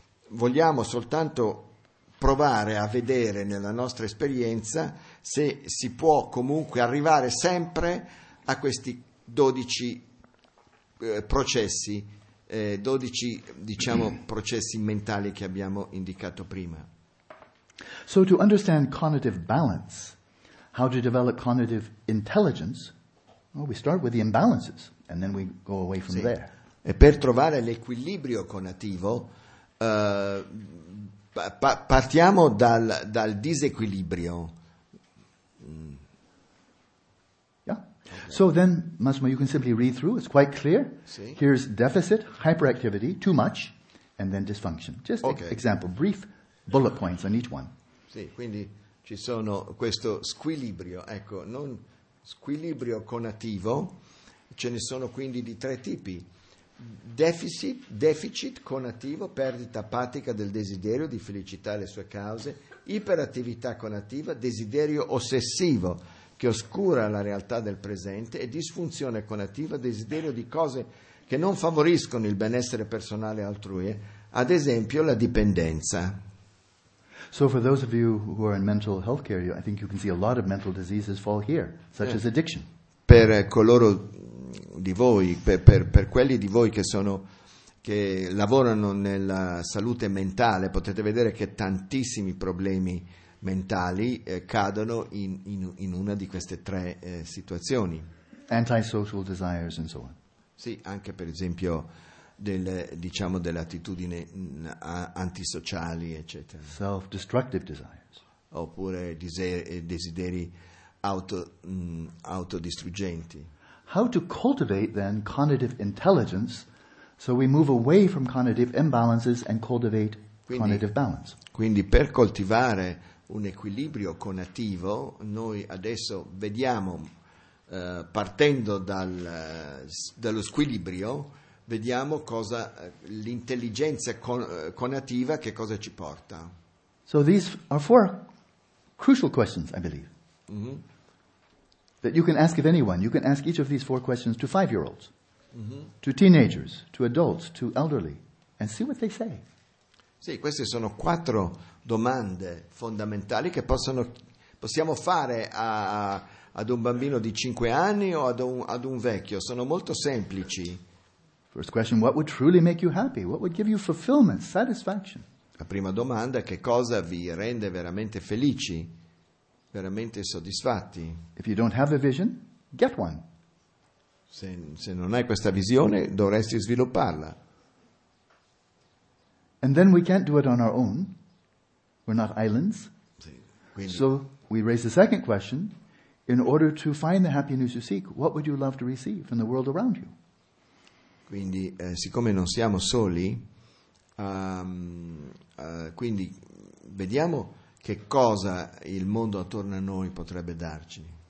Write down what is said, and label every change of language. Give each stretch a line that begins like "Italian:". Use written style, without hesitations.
Italian: vogliamo soltanto provare a vedere nella nostra esperienza se si può comunque arrivare sempre a questi 12 processi, 12, diciamo, processi mentali che abbiamo indicato prima.
English: So to understand cognitive balance, how to develop cognitive intelligence, well, we start with the imbalances and then we go away from
Italian: sì.
English: there.
Italian: E per trovare l'equilibrio cognitivo partiamo dal disequilibrio.
English: Yeah. Okay. So then, Massimo, you can simply read through. It's quite clear.
Italian: Sì.
English: Here's deficit, hyperactivity, too much, and then dysfunction. Just okay. Example, brief bullet points on each one.
Italian: Sì, quindi ci sono questo squilibrio, ecco, non squilibrio conativo, ce ne sono quindi di tre tipi. Deficit conativo, perdita apatica del desiderio di felicità e le sue cause, iperattività conativa, desiderio ossessivo che oscura la realtà del presente, e disfunzione conativa, desiderio di cose che non favoriscono il benessere personale altrui, ad esempio la dipendenza.
English: So for those of you who are in mental health care, I think you can see a lot of mental diseases fall here, such as addiction.
Italian: Per coloro di voi, per quelli di voi che sono che lavorano nella salute mentale, potete vedere che tantissimi problemi mentali cadono in una di queste tre situazioni.
English: Antisocial desires and so on.
Italian: Sì, anche per esempio delle attitudini antisociali, eccetera.
English: Self-destructive desires.
Italian: Oppure desideri autodistruggenti.
English: How to cultivate then cognitive intelligence so we move away from cognitive imbalances and cultivate cognitive balance.
Italian: Quindi per coltivare un equilibrio cognitivo, noi adesso vediamo, partendo dallo squilibrio, vediamo cosa l'intelligenza cognitiva che cosa ci porta.
English: So these are four crucial questions, I believe. Mm-hmm. That you can ask of anyone. You can ask each of these four questions to 5-year-olds, mm-hmm. to teenagers, to adults, to elderly, and see what they say.
Italian: Sì, queste sono quattro domande fondamentali che possiamo fare ad un bambino di 5 anni o ad un vecchio. Sono molto semplici.
English: First question: what would truly make you happy? What would give you fulfillment, satisfaction?
Italian: La prima domanda: che cosa vi rende veramente felici? Veramente soddisfatti.
English: If you don't have a vision, get one.
Italian: Se non hai questa visione, dovresti svilupparla.
English: And then we can't do it on our own. We're not islands.
Italian: Sì, quindi,
English: so we raise the second question: in order to find the happiness you seek, what would you love to receive from the world around you?
Italian: Quindi, siccome non siamo soli, quindi vediamo che cosa il mondo attorno a noi potrebbe darci.